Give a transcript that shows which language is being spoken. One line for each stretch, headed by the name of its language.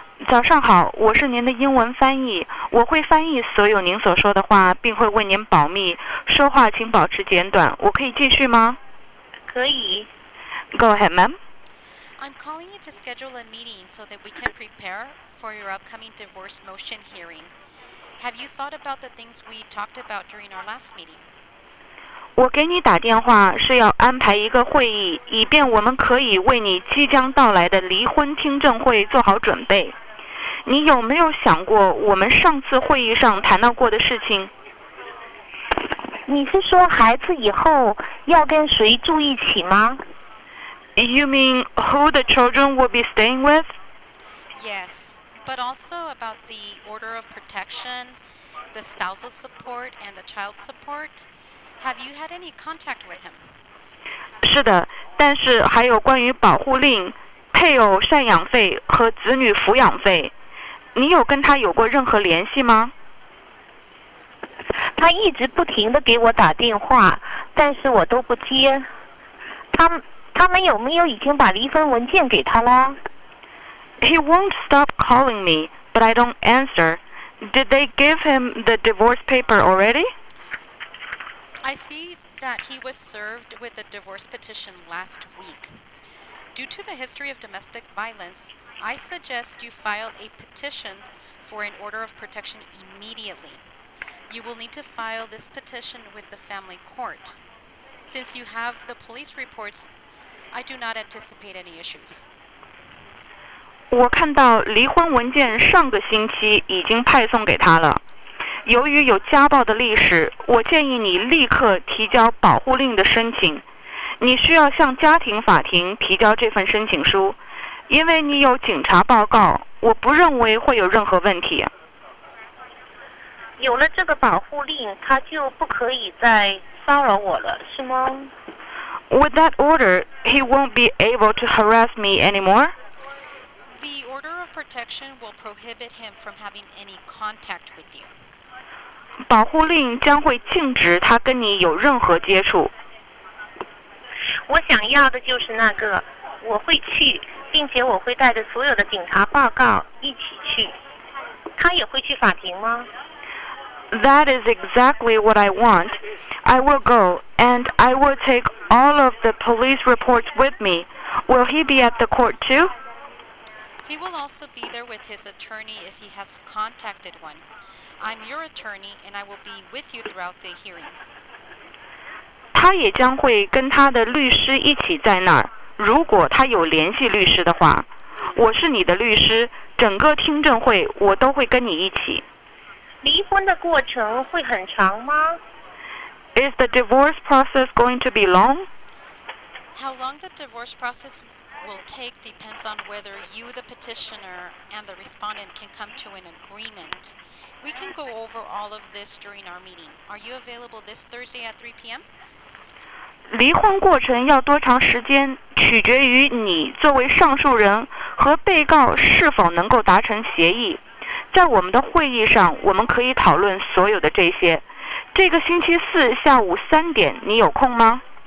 Chinese: 早上好，我是您的英文翻译，我会翻译所有您所说的话，并会为您保密。说话请保持简短，我可以继续吗？可以。
English: Go ahead, ma'am. I'm calling you to schedule a meeting so that we can prepare for your upcoming divorce motion hearing. Have you thought about the things we talked about during our last meeting?
Chinese: 我给你打电话是要安排一个会议，以便我们可以为你即将到来的离婚听证会做好准备。你有没有想过我们上次会议上谈到过的事情？你是说孩子以后要跟谁住一起吗？
English: You mean who the children will be staying with? Yes, but also about the order of protection, the spousal support and the child support. Have you had any contact with him?
Chinese: 是的，但是还有关于保护令、配偶赡养费和子女抚养费。你有跟他有过任何联系吗？他一直不停地给我打电话，但是我都不接。他们有没有已经把离婚文件给他了？
English: He won't stop calling me, but I don't answer. Did they give him the divorce paper already? I see that he was served with a divorce petition last week. Due to the history of domestic violence, I suggest you file a petition for an order of protection immediately. You will need to file this petition with the family court. Since you have the police reports, I do not anticipate any issues.
Chinese: 我看到离婚文件上个星期已经派送给他了。由于有家暴的历史，我建议你立刻提交保护令的申请。你需要向家庭法庭提交这份申请书，因为你有警察报告，我不认为会有任何问题。有了这个保护令，他就不可以再骚扰我了，是吗？
English: With that order, he won't be able to harass me anymore. The order of protection will prohibit him from having any contact with you.
Chinese: 保护令将会禁止他跟你有任何接触。我想要的就是那个，我会去，并且我会带着所有的警察报告一起去。他也会去法庭吗？
English: That is exactly what I want. I will go, and I will take all of the police reports with me. Will he be at the court too? He will also be there with his attorney if he has contacted one. I'm your attorney, and I will be with you throughout the hearing.
Chinese: 他也将会跟他的律师一起在那儿，如果他有联系律师的话。我是你的律师，整个听证会我都会跟你一起。离婚的过程会很长吗？
English: Is the divorce process going to be long? How long the divorce process will take depends on whether you, the petitioner, and the respondent can come to an agreement. We can go over all of this during our meeting. Are you available this Thursday at 3 p.m.?
Chinese: 离婚过程要多长时间取决于你作为上诉人和被告是否能够达成协议。在我们的会议上，我们可以讨论所有的这些。这个星期四下午3点，你有空吗？